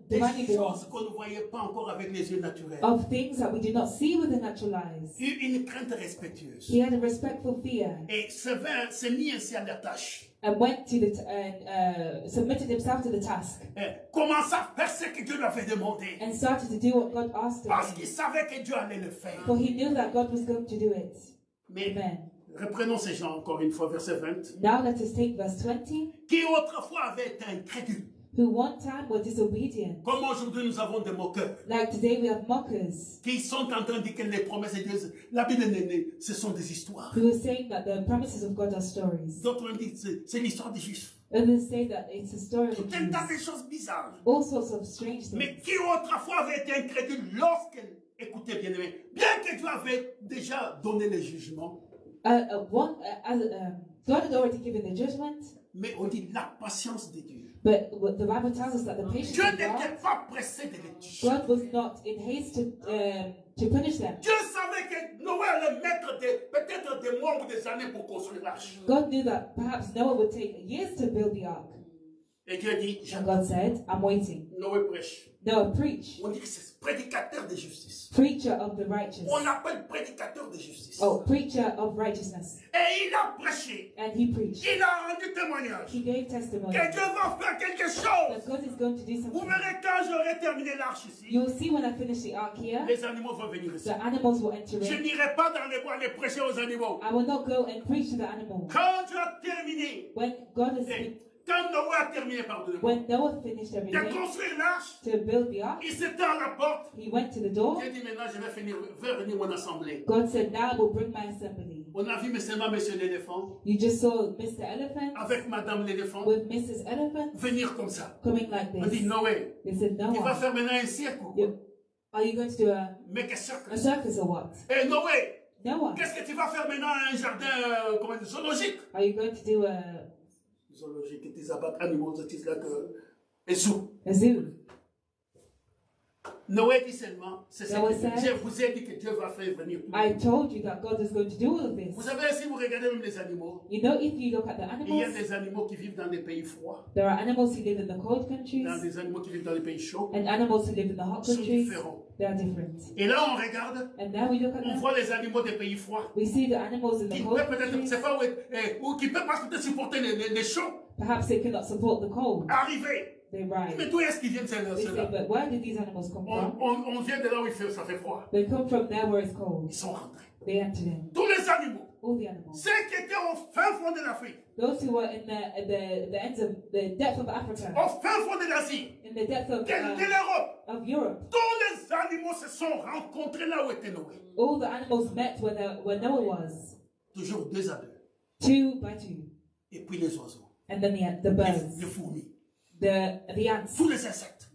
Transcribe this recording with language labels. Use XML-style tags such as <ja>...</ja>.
<fr>des choses qu'on ne voyait pas encore avec les yeux naturels.</fr> <en>Of things that we did not see with the natural eyes.</en> <fr>Et une crainte respectueuse.</fr> <en>He had a respectful fear.</en> <fr>Et se mit ainsi à la tâche.</fr> <en>And went to the submitted himself to the task.</en> <fr>Commença à faire ce que Dieu lui avait demandé.</fr> <en>And started to do what God asked him.</en> <fr>Parce qu'il savait que Dieu allait le faire.</fr> <en>For he knew that God was going to do it.</en> <fr>Mais amen. Reprenons ces gens encore une fois, verset 20.</fr> <en>Now let us take verse 20.</en> <fr>Qui autrefois avait été incrédule.</fr> <en>Who one time were disobedient.</en> <fr>Comme aujourd'hui nous avons des moqueurs.</fr> <en>Like today we have mockers.</en> <fr>Qui sont en train de dire que les promesses de Dieu, la Bible n'est née, ce sont des histoires.</fr> <en>Who are saying that the promises of God are stories.</en> <fr>D'autres ont dit que c'est l'histoire des justes.</fr> <en>Others say that it's a story of</en> <fr>Jesus. Tout un tas de choses bizarres.</fr> <en>All sorts of strange things.</en> <fr>Mais qui autrefois avait été incrédule lorsque, écoutez bien aimé, bien que Dieu avait déjà donné le jugement.</fr> <en>God had already given the judgment.</en> <fr>Mais on dit la patience de Dieu.</fr> <en>But what the Bible tells us that the patience</en> <fr>Dieu n'était pas pressé de les juger.</fr> <en>God was not in haste to punish them.</en> <fr>Dieu savait que Noé allait mettre peut-être des mois ou des années pour construire l'arche.</fr> <en>God knew that perhaps Noah would take years to build the ark.</en> <fr>Et Dieu dit,</fr> <en>and God said, I'm waiting.</en> <fr>Noé prêche.</fr> <en>Noah preach.</en> <fr>On dit que c'est prédicateur de justice.</fr> <en>Preacher of the righteous.</en> <fr>On l'appelle prédicateur de justice.</fr> <en>Oh, preacher of righteousness.</en> <fr>Et il a prêché.</fr> <en>And he preached.</en> <fr>Il a rendu témoignage.</fr> <en>He gave testimony.</en> <fr>Que Dieu va faire quelque chose.</fr> <en>That God is going to do something.</en> <fr>Vous verrez quand j'aurai terminé l'arche ici.</fr> <en>You will see when I finish the ark here.</en> <fr>Les animaux vont venir ici.</fr> <en>The animals will enter in.</en> <fr>Je n'irai pas dans les bois aller prêcher aux animaux.</fr> <en>I will not go and preach to the animals.</en> <fr>Quand tu as terminé.</fr> <en>When God has finished.</en> <fr>Quand Noé a terminé, pardonnez-moi, de construire l'arche,</fr> <en>to build the ark,</en> <fr>il s'était à la porte.</fr> <en>He went to the door.</en> <fr>Dieu dit maintenant, je vais finir, vais venir mon assemblée.</fr> <en>God said, now I will bring my assembly.</en> <fr>On a vu seulement Monsieur l'éléphant.</fr> <en>You just saw Mr. Elephant.</en> <fr>Avec Madame l'éléphant.</fr> <en>With Mrs. Elephant.</en> <fr>Venir comme ça.</fr> <en>Coming like this.</en> <fr>On dit Noé.</fr> <en>They said Noah.</en> <fr>Tu vas faire maintenant un cirque.</fr> <en>Are you going to do a? Make a circus. A circus or what?</en> <fr>Hey, Noé.</fr> <en>Noah.</en> <fr>Qu'est-ce que tu vas faire maintenant un jardin comme un zoologique?</fr> <en>Are you going to do a?</en> <fr>Zoologique, des abattoirs animaux, des trucs là que. Et Noé dit seulement, c'est ça. Je vous ai dit que Dieu va faire venir.</fr> <en>I told you that God is going to do all of this.</en> <fr>Vous savez, si vous regardez même les animaux.</fr> <en>You know, if you look at the animals.</en> <fr>Il y a des animaux qui vivent dans des pays froids.</fr> <en>There are animals who live in the cold countries.</en> <fr>Il y a des animaux qui vivent dans les pays chauds.</fr> <en>And animals who live in the hot countries.</en> <fr>Sont différents.</fr> <en>They are different.</en> <fr>Et là, on regarde.</fr> <en>And now we look at</en> <fr>on</fr> <en>them.</en> <fr>Voit les animaux des pays froids.</fr> <en>We see the animals in the cold countries.</en> <fr>C'est pas où, ou qui peut pas peut-être supporter les chauds.</fr> <en>Perhaps they cannot support the cold.</en> <fr>Arrivé.</fr> <en>They arrive.</en> <fr>Mais d'où est-ce qu'ils viennent ces</fr> <en>là? But where did these animals come from?</en> <fr>On vient de là où ça fait froid.</fr> <en>They come from there where it's cold.</en> <fr>Ils sont rentrés.</fr> <en>They entered in.</en> <fr>Tous les animaux.</fr> <en>All the animals.</en> <fr>Ceux qui étaient au fin fond de l'Afrique.</fr> <en>Those who were in the ends of the depth of Africa.</en> <fr>Au fin fond de l'Asie.</fr> <en>In the depth of</en> <fr>de l'Europe.</fr> <en>Of Europe.</en> <fr>Tous les animaux se sont rencontrés là où était Noé.</fr> <en>All the animals met where Noah was.</en> <fr>Toujours deux à deux.</fr> <en>Two by two.</en> <fr>Et puis les oiseaux.</fr> <en>And then the birds. Les</en> <fr>fourmis.</fr> <en>The ants.</en> <fr>Tous les insectes.</fr>